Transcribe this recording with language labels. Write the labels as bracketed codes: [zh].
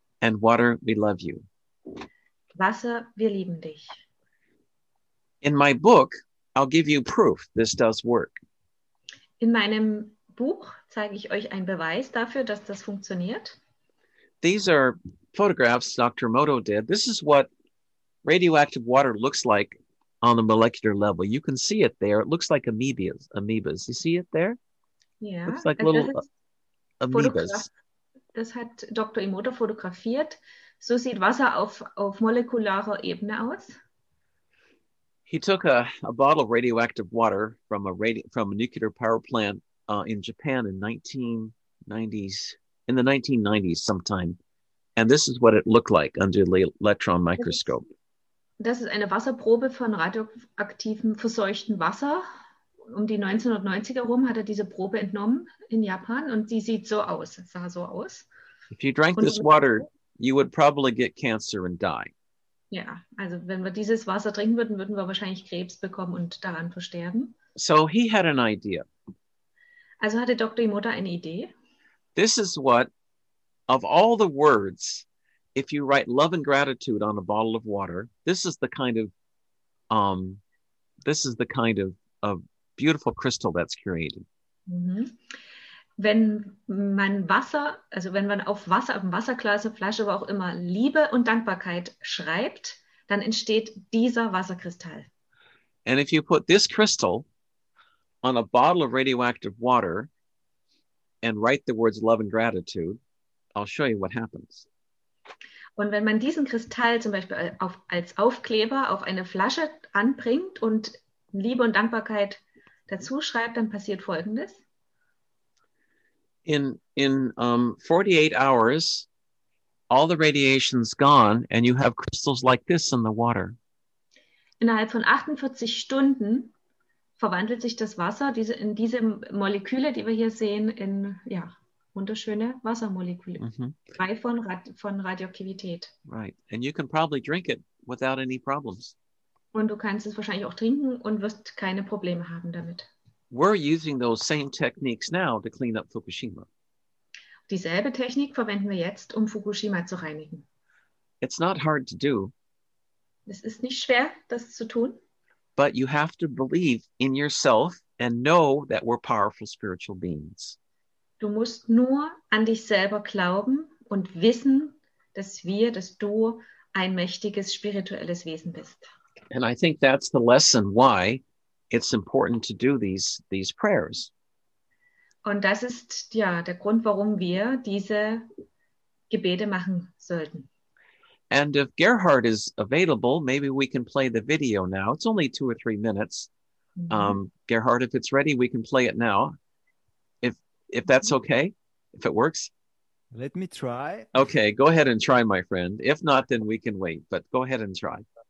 [en] And water, we love you. [de] Wasser, wir lieben dich. [en] In my book, I'll give you proof this does work. [de] In meinem Buch zeige ich euch einen Beweis dafür, dass das funktioniert. [en] These are photographs Dr. Moto did. This is what radioactive water looks like on the molecular level. You can see it there. It looks like amoebas. You see it there? Yeah. Looks like little amoebas. [de] Das hat Dr. Imoto fotografiert. So sieht Wasser auf molekularer Ebene aus. [en] He took a bottle of radioactive water from a nuclear power plant in Japan in the 1990s sometime. And this is what it looked like under the electron microscope. [de] Das ist eine Wasserprobe von radioaktivem verseuchtem Wasser. Um die 1990er herum hat er diese Probe entnommen in Japan und sie sieht so aus. Es sah so aus. [en] If you drank this water, you would probably get cancer and die. [de] Ja, also wenn wir dieses Wasser trinken würden, würden wir wahrscheinlich Krebs bekommen und daran versterben. [en] So he had an idea. [de] Also hatte Dr. Imoto eine Idee. [en] This is what, of all the words, if you write love and gratitude on a bottle of water, this is the kind of beautiful crystal that's created. [de] Wenn man Wasser, also wenn man auf Wasser, auf dem Wasserglas, Flasche, wo auch immer, Liebe und Dankbarkeit schreibt, dann entsteht dieser Wasserkristall. [en] And if you put this crystal on a bottle of radioactive water and write the words love and gratitude, I'll show you what happens. [de] Und wenn man diesen Kristall zum Beispiel als Aufkleber auf eine Flasche anbringt und Liebe und Dankbarkeit dazu schreibt, dann passiert Folgendes. [en] In 48 hours, all the radiation's gone and you have crystals like this in the water. [de] Innerhalb von 48 Stunden verwandelt sich das Wasser, diese Moleküle, die wir hier sehen, in, ja, wunderschöne Wassermoleküle, frei von Radioaktivität. [en] Right, and you can probably drink it without any problems. [de] Und du kannst es wahrscheinlich auch trinken und wirst keine Probleme haben damit. [en] We're using those same techniques now to clean up Fukushima. [de] Dieselbe Technik verwenden wir jetzt, um Fukushima zu reinigen. [en] It's not hard to do. [de] Es ist nicht schwer, das zu tun. [en] But you have to believe in yourself and know that we're powerful spiritual beings. [de] Du musst nur an dich selber glauben und wissen, dass du ein mächtiges spirituelles Wesen bist. [en] And I think that's the lesson why it's important to do these prayers. [de] Und das ist ja der Grund, warum wir diese Gebete machen sollten. [en] And if Gerhard is available, maybe we can play the video now. It's only 2 or 3 minutes. Gerhard, if it's ready, we can play it now. If that's okay, if it works. Let me try. Okay, go ahead and try, my friend. If not, then we can wait. But go ahead and try.